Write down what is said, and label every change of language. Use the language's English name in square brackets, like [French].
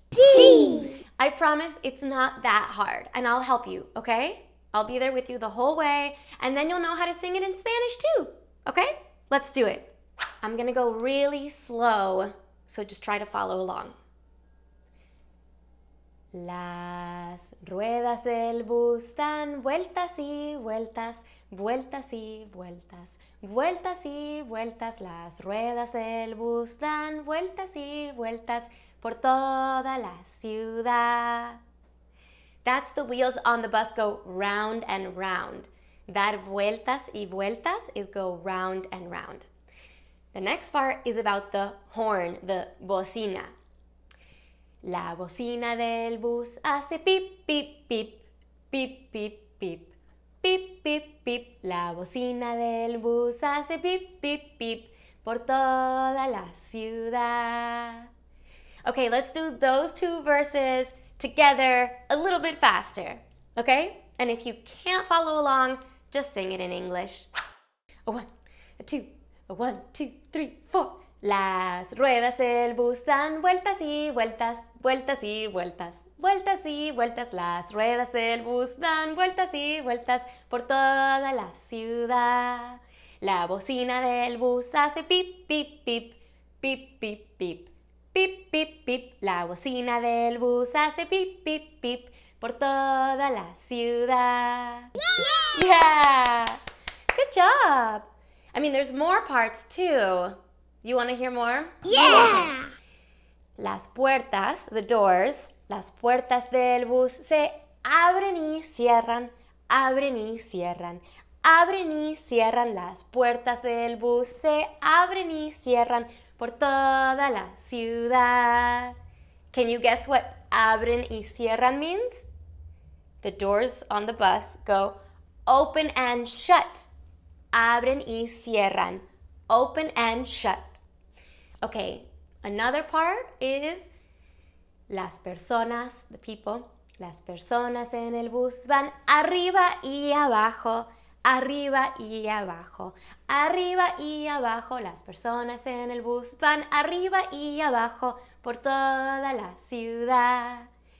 [Spanish] Sí! [English] I promise it's not that hard, and I'll help you, okay? I'll be there with you the whole way, and then you'll know how to sing it in Spanish too. Okay? Let's do it. I'm gonna go really slow, so just try to follow along. [Spanish] Las ruedas del bus dan vueltas y vueltas, vueltas y vueltas, vueltas y vueltas. Las ruedas del bus dan vueltas y vueltas por toda la ciudad. [English] That's the wheels on the bus go round and round. [Spanish] Dar vueltas y vueltas [English] is go round and round. The next part is about the horn, the bocina. [Spanish] La bocina del bus hace pip, pip, pip, pip, pip, pip, pip, pip, pip. La bocina del bus hace pip, pip, pip por toda la ciudad. [English] Okay, let's do those two verses together a little bit faster, okay? And if you can't follow along, just sing it in English. A one, a two, a one, two, three, four. [Spanish] Las ruedas del bus dan vueltas y vueltas, vueltas y vueltas, vueltas y vueltas. Las ruedas del bus dan vueltas y vueltas por toda la ciudad. La bocina del bus hace pip, pip, pip, pip, pip, pip, pip, pip, pip. La bocina del bus hace pip, pip, pip por toda la ciudad. Yay! [English] Yeah! Good job! I mean, there's more parts too. You want to hear more? Yeah! [Spanish] Las puertas, [English] the doors, [Spanish] las puertas del bus se abren y cierran, abren y cierran, abren y cierran. Las puertas del bus se abren y cierran por toda la ciudad. [English] Can you guess what [Spanish] abren y cierran [English] means? The doors on the bus go open and shut. [Spanish] Abren y cierran, [English] open and shut. Okay, another part is [Spanish] las personas, [English] the people. [Spanish] Las personas en el bus van arriba y abajo, arriba y abajo, arriba y abajo. Las personas en el bus van arriba y abajo por toda la ciudad.